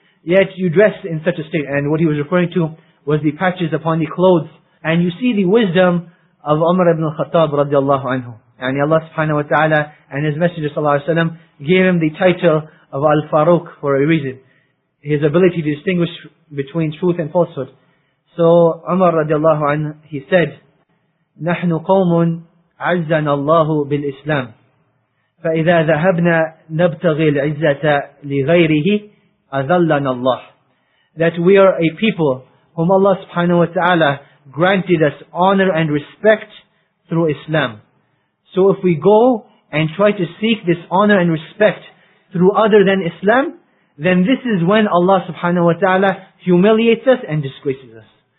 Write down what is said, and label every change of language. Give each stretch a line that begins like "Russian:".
English: yet you dress in such a state. And what he was referring to was the patches upon the clothes. And you see the wisdom of Umar ibn al-Khattab radiallahu anhu. And Allah subhanahu wa ta'ala and his messenger sallallahu alayhi wa sallam gave him the title of Al-Faruq for a reason. His ability to distinguish between truth and falsehood.
Arabic: So Umar radiallahu anhu, he said, نَحْنُ قَوْمٌ عَزَّنَ اللَّهُ بِالْإِسْلَامِ فَإِذَا ذَهَبْنَا نَبْتَغِي الْعِزَّةَ لِغَيْرِهِ أَذَلَّنَا اللَّهُ.
English: That we are a people whom Allah subhanahu wa ta'ala granted us honor and respect through Islam. So if we go and try to seek this honor and respect through other than Islam, then this is when Allah subhanahu wa ta'ala humiliates us and disgraces us.